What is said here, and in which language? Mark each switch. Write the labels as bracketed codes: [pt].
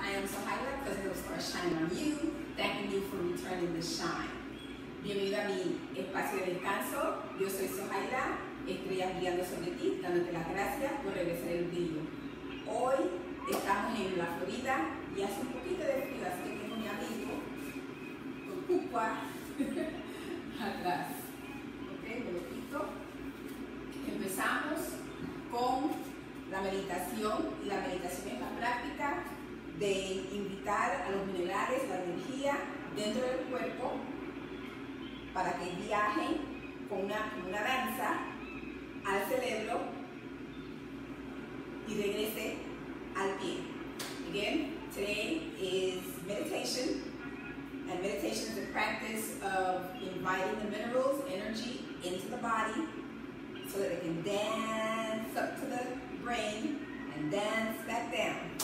[en] I am Sahila, because those stars shine on you, thanking you for returning the shine. [es] Bienvenido a mi espacio de descanso. Yo soy Sahila, estrella guiando sobre ti, dándote las gracias por regresar el brillo. Hoy estamos en la Florida y hace un poquito de frío, así que tengo mi amigo, Cucua, atrás. Ok, un poquito. Empezamos con la meditación, y la meditación es la práctica de invitar a los minerales, la energía dentro del cuerpo para que viajen con una danza al cerebro y regrese al pie. [en] Again, today is meditation, and meditation is the practice of inviting the minerals, energy into the body so that it can dance up to the brain and dance back down.